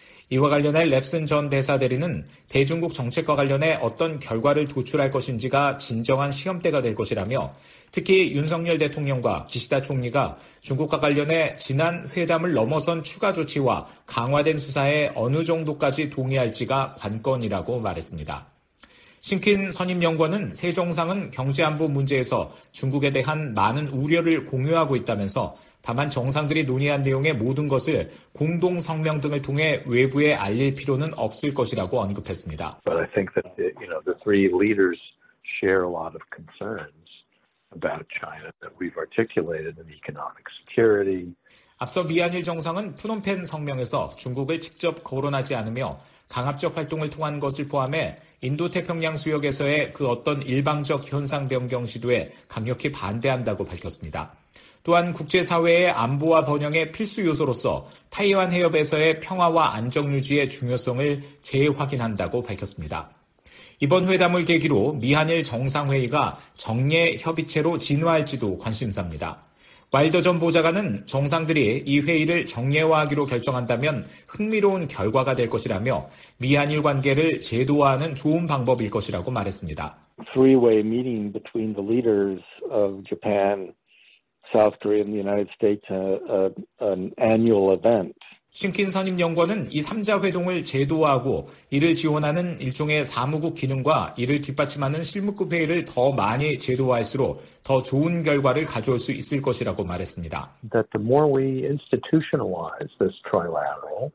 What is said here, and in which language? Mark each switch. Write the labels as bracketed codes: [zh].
[ko] 이와 관련해 랩슨 전 대사 대리는 대중국 정책과 관련해 어떤 결과를 도출할 것인지가 진정한 시험대가 될 것이라며 특히 윤석열 대통령과 기시다 총리가 중국과 관련해 지난 회담을 넘어선 추가 조치와 강화된 수사에 어느 정도까지 동의할지가 관건이라고 말했습니다. 싱킨 선임 연구원은 세 정상은 경제안보 문제에서 중국에 대한 많은 우려를 공유하고 있다면서 다만 정상들이 논의한 내용의 모든 것을 공동 성명 등을 통해 외부에 알릴 필요는 없을 것이라고 언급했습니다. [en] But I think that the three leaders share a lot of concerns about China that we've articulated in economic security. [ko] 앞서 미한일 정상은 프놈펜 성명에서 중국을 직접 거론하지 않으며 강압적 활동을 통한 것을 포함해 인도태평양 수역에서의 그 어떤 일방적 현상 변경 시도에 강력히 반대한다고 밝혔습니다. 또한 국제사회의 안보와 번영의 필수 요소로서 타이완 해협에서의 평화와 안정 유지의 중요성을 재확인한다고 밝혔습니다. 이번 회담을 계기로 미한일 정상회의가 정례 협의체로 진화할지도 관심사입니다. 와일더 전 보좌관은 정상들이 이 회의를 정례화하기로 결정한다면 흥미로운 결과가 될 것이라며 미한일 관계를 제도화하는 좋은 방법일 것이라고 말했습니다. [en] Three-way meeting between the leaders of Japan, South Korea and the United States an annual event. [ko] 신킨 선임연구원은 이 3자 회동을 제도화하고 이를 지원하는 일종의 사무국 기능과 이를 뒷받침하는 실무급 회의를 더 많이 제도화할수록 더 좋은 결과를 가져올 수 있을 것이라고 말했습니다. [en] That the more we institutionalize this trilateral,